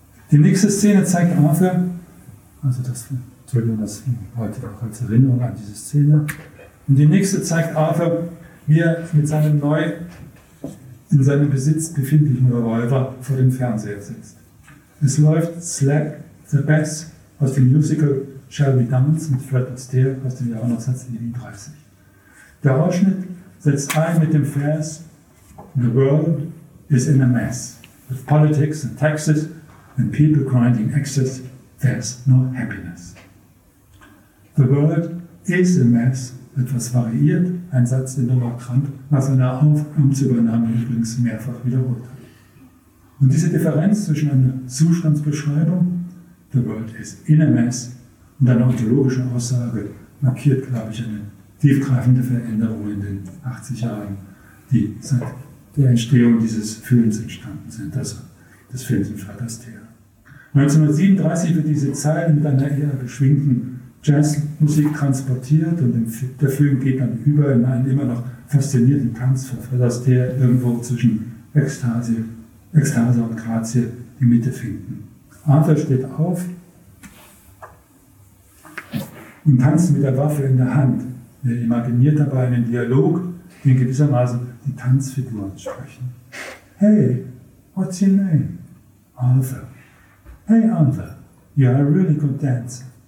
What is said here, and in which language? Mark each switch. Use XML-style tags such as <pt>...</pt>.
<de>Die nächste Szene zeigt Arthur, also das, Entschuldigung, das heute auch als Erinnerung an diese Szene, und die nächste zeigt Arthur, wie er mit seinem neu in seinem Besitz befindlichen Revolver vor dem Fernseher sitzt. Es läuft Slap the Bass aus dem Musical Shall We Dance mit Fred Astaire aus dem Jahr 1937. Der Ausschnitt setzt ein mit dem Vers</de> <en>The world is in a mess. With politics and taxes and people grinding excess, there's no happiness. The world is a mess.</en> <de>Etwas variiert, ein Satz, den Noah Kramp nach seiner Amtsübernahme übrigens mehrfach wiederholt hat. Und diese Differenz zwischen einer Zustandsbeschreibung,</de> <en>the world is in a mess,</en> <de>und einer ontologischen Aussage markiert, glaube ich, eine tiefgreifende Veränderung in den 80 Jahren, die seit der Entstehung dieses Films entstanden sind, also des Films im Fred Astaire. 1937 wird diese Zeile mit einer eher beschwingten Jazzmusik transportiert und der Film geht dann über in einen immer noch faszinierten Tanz von Fred Astaire, irgendwo zwischen Ekstase und Grazie die Mitte finden. Arthur steht auf und tanzt mit der Waffe in der Hand. Er imaginiert dabei einen Dialog, den gewissermaßen die Tanzfiguren sprechen.</de> <en>Hey, what's your name? Arthur. Hey Arthur, you are a really good dancer.</en>